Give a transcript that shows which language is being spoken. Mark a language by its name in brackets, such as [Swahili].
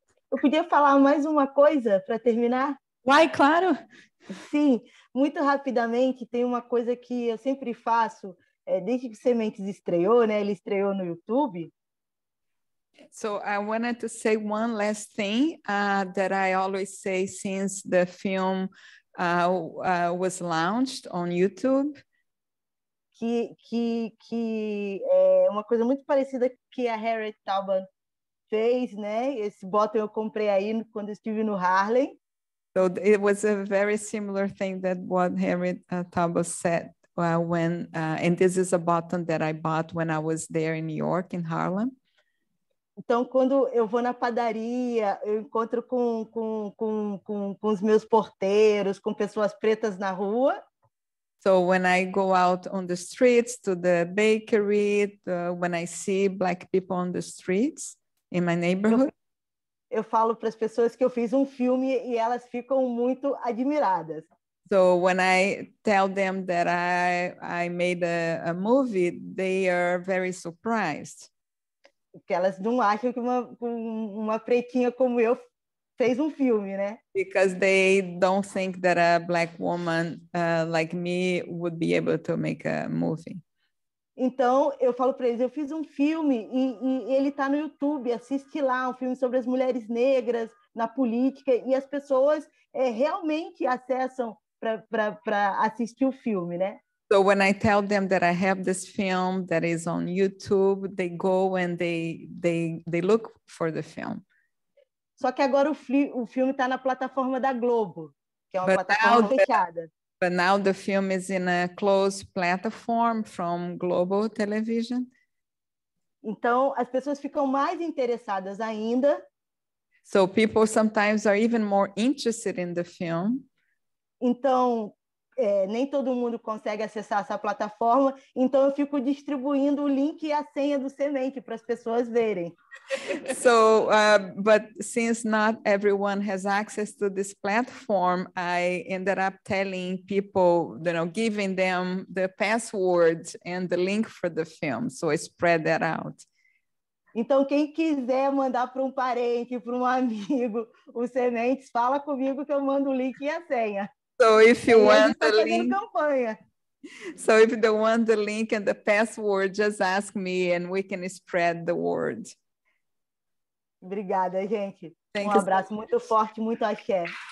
[Portuguese] Eu podia falar mais uma coisa para terminar? Uai, claro! Sim, muito rapidamente, tem uma coisa que eu sempre faço, desde que Sementes estreou, né? Ele estreou no YouTube. [English] So I wanted to say one last thing that I always say since the film was launched on YouTube. [Portuguese] Que é uma coisa muito parecida que a Harriet Tubman fez, né? Esse botão eu comprei aí quando eu estive no Harlem. [English] So it was a very similar thing that what Harriet Tubman said when, and this is a button that I bought when I was there in New York, in Harlem. [Portuguese] Então, quando eu vou na padaria, eu encontro com os meus porteiros, com pessoas pretas na rua. [English] So when I go out on the streets to the bakery, when I see black people on the streets in my neighborhood, [Portuguese] eu falo para as pessoas que eu fiz filme e elas ficam muito admiradas. [English] So when I tell them that I made a movie, they are very surprised. [Portuguese] Porque elas não acham que uma pretinha como eu fez filme, né? [English] Because they don't think that a black woman like me would be able to make a movie. [Portuguese] Então, eu falo para eles, eu fiz filme e ele está no YouTube, assiste lá, filme sobre as mulheres negras na política, e as pessoas realmente acessam para assistir filme, né? [English] So when I tell them that I have this film that is on YouTube, they go and they look for the film. [Portuguese] Só que agora o filme está na plataforma da Globo, que é uma plataforma fechada. [English] But now the film is in a closed platform from Global Television. [Portuguese] Então, as pessoas ficam mais interessadas ainda. [English] So people sometimes are even more interested in the film. [Portuguese] Então, nem todo mundo consegue acessar essa plataforma, então eu fico distribuindo o link e a senha do Semente para as pessoas verem. [English] So, but since not everyone has access to this platform, I ended up telling people, you know, giving them the password and the link for the film, so I spread that out. [Portuguese] Então, quem quiser mandar para um parente, para um amigo, o Sementes, fala comigo que eu mando o link e a senha. [English] So if you want the link, [Portuguese] campanha. [English] So if you want the link and the password, just ask me and we can spread the word. [Portuguese] Obrigada, gente. Thank um abraço so muito forte, muito axé.